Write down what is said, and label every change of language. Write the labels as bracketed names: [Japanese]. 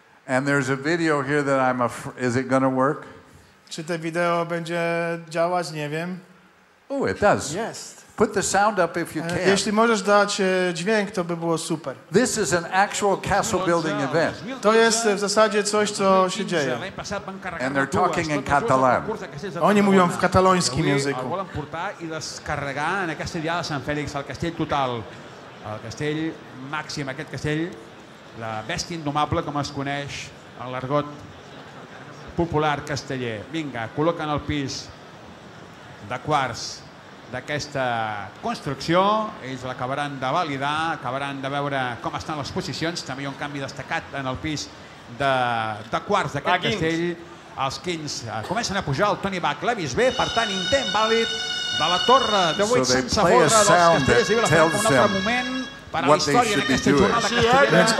[English] And there's a video here that I'm is it gonna work? [Polish] Czy to wideo będzie działać? Nie wiem. [English] Oh, it does. Yes. Put the sound up if you can. [Polish] Jeśli możesz dać dźwięk, to by było super. [English] This is an actual castle building event. [Polish] To jest w zasadzie coś, co się dzieje. [English] And they're talking in Catalan. [Polish] Oni mówią w katalońskim języku. [Catalan] Volen portar i descarregar en aquesta diada de Sant Félix al castell total, al castell màxim, aquest castell, la bèstia indomable com es coneix en l'argot popular casteller. Vinga, col·loquen el pis de quarts d'aquesta construcció, ells l'acabaran de validar, acabaran de veure com estan les posicions, també hi ha un canvi destacat en el pis de quarts d'aquest castell. Els quins comencen a pujar, el Toni Bach, l'ha vist bé, per tant, intent vàlid de la torre de 8 sense forra dels castells i la fem un altre moment. [English] What they should be doing.